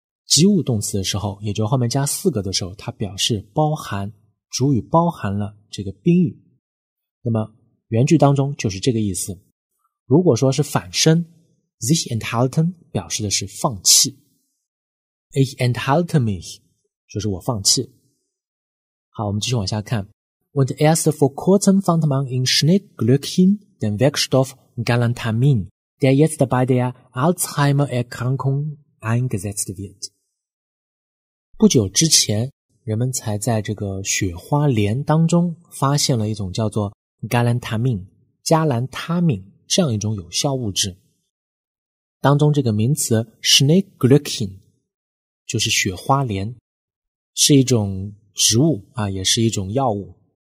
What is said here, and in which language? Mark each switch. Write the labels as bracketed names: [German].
[Chinese] 及物动词的时候，也就后面加四个的时候，它表示包含，主语包含了这个宾语，那么原句当中就是这个意思。如果说是反身 sich enthalten 表示的是放弃， [German] ich enthalte mich [Chinese] 就是我放弃。好，我们继续往下看。 [German] Und erst vor kurzem fand man in Schneeglöckchen den Werkstoff Galantamin, der jetzt bei der Alzheimer-Erkrankung eingesetzt wird. [Chinese] 不久之前, 人们才在这个雪花莲当中发现了一种叫做 Galantamin 这样一种有效物质。当中这个名词 Schneeglöckchen 就是雪花莲 是一种植物也是一种药物。